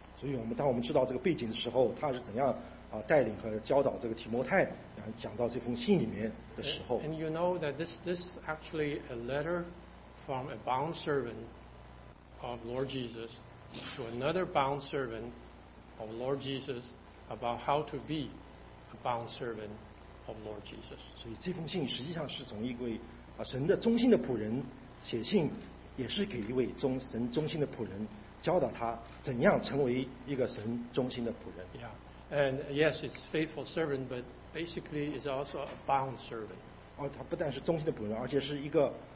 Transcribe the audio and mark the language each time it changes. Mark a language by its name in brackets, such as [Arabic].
[Chinese] 所以我们当我们知道这个背景的时候，他是怎样啊带领和教导这个提摩太，然后讲到这封信里面的时候。 [English] And you know that this is actually a letter from a bond servant of Lord Jesus to another bond servant of Lord Jesus. About how to be a bond servant of Lord Jesus. [Chinese] 所以这封信实际上是从一位啊神的忠心的仆人写信，也是给一位神忠心的仆人教导他怎样成为一个神忠心的仆人。 [English] Yeah, and yes, it's faithful servant, but basically it's also a bond servant. [Chinese] 他不但是忠心的仆人，而且是一个